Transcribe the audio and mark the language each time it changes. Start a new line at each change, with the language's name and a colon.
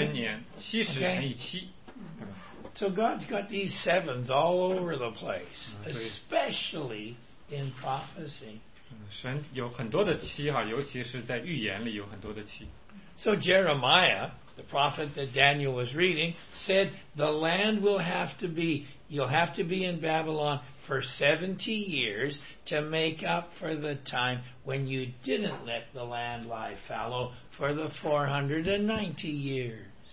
Chinese: 70乘以7
English: So God's got these sevens all over the place, especially in prophecy.
Chinese: 神有很多的七，尤其是在预言里有很多的七。
English: So Jeremiah, the prophet that Daniel was reading, said the land will have to be, you'll have to be in Babylon for 70 years to make up for the time when you didn't let the land lie fallow for the 490 years.